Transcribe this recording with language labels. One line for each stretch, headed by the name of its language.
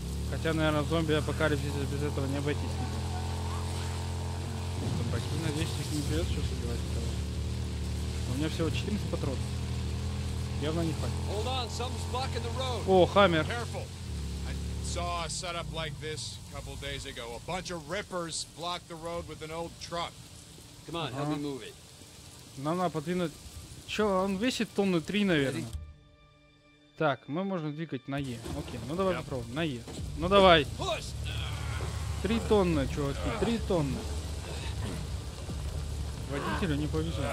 Russian: Хотя, наверное, зомби апокалипсис без этого не обойтись. Ну, почти надеюсь, их не придется что-то делать. У меня всего 14 патронов. Явно не хватит.
English: Hold on, something's blocking the road.
Russian: О, Хаммер.
English: Saw a setup like this a couple days ago. A bunch of rippers blocked the road with an old truck. Come on, help me move it.
Russian: Нам надо подвинуть. Че, он весит 3 тонны, наверное. Так, мы можем двигать на Е. Окей, ну давай попробуем. На Е. Ну давай. 3 тонны, чуваки. 3 тонны. Водителю не повезло.